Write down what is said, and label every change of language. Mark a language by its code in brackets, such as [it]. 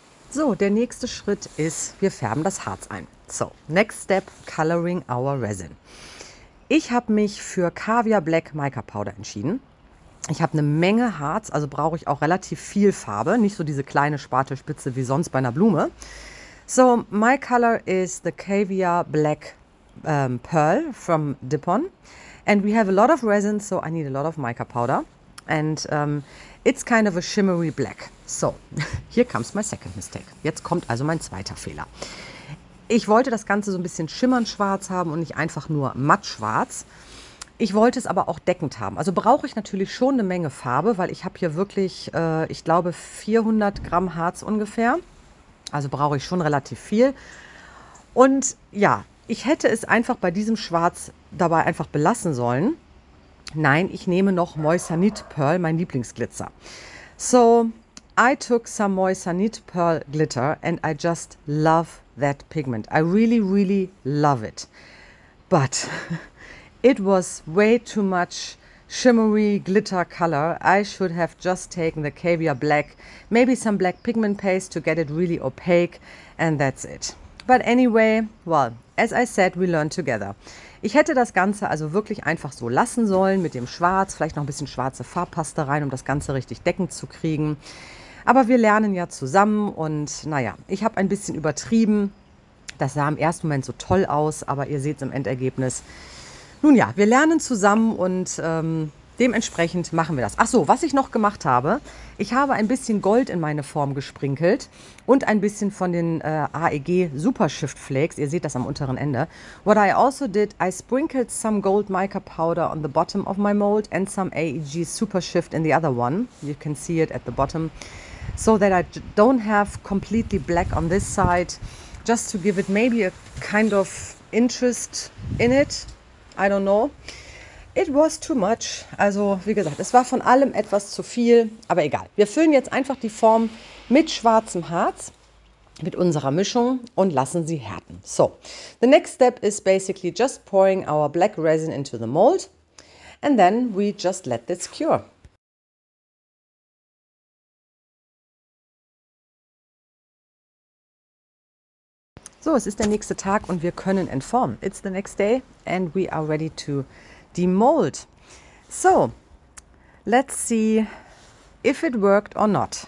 [de] So, der nächste Schritt ist, wir färben das Harz ein. [en] So, next step, coloring our resin. [de] Ich habe mich für Caviar Black Mica Powder entschieden. Ich habe eine Menge Harz, also brauche ich auch relativ viel Farbe, nicht so diese kleine Spatelspitze wie sonst bei einer Blume. [en] So, my color is the Caviar Black Pearl from Dipon. And we have a lot of resin, so I need a lot of mica powder. And it's kind of a shimmery black. So, here comes my second mistake. [de] Jetzt kommt also mein zweiter Fehler. Ich wollte das Ganze so ein bisschen schimmernd schwarz haben und nicht einfach nur matt schwarz. Ich wollte es aber auch deckend haben. Also brauche ich natürlich schon eine Menge Farbe, weil ich habe hier wirklich, ich glaube, 400 Gramm Harz ungefähr. Also brauche ich schon relativ viel. Und ja, ich hätte es einfach bei diesem Schwarz dabei einfach belassen sollen. Nein, ich nehme noch Moissanit Pearl, mein Lieblingsglitzer. [en] So, I took some Moissanit Pearl Glitter and I just love that pigment. I really, really love it. But it was way too much shimmery glitter color. I should have just taken the Caviar Black, maybe some black pigment paste to get it really opaque and that's it. But anyway, well, as I said, we learn together. [de] Ich hätte das Ganze also wirklich einfach so lassen sollen mit dem Schwarz, vielleicht noch ein bisschen schwarze Farbpaste rein, um das Ganze richtig deckend zu kriegen. Aber wir lernen ja zusammen und naja, ich habe ein bisschen übertrieben. Das sah im ersten Moment so toll aus, aber ihr seht es im Endergebnis. Nun ja, wir lernen zusammen und dementsprechend machen wir das. Ach so, was ich noch gemacht habe, ich habe ein bisschen Gold in meine Form gesprinkelt und ein bisschen von den AEG Super Shift Flakes. Ihr seht das am unteren Ende. [en] What I also did, I sprinkled some gold mica powder on the bottom of my mold and some AEG Super Shift in the other one. You can see it at the bottom. So that I don't have completely black on this side. Just to give it maybe a kind of interest in it. I don't know. It was too much. [de] Also, wie gesagt, es war von allem etwas zu viel, aber egal. Wir füllen jetzt einfach die Form mit schwarzem Harz, mit unserer Mischung und lassen sie härten. [en] So, the next step is basically just pouring our black resin into the mold and then we just let this cure. [de] So, es ist der nächste Tag und wir können entformen. [en] It's the next day and we are ready to the mold. So, let's see if it worked or not.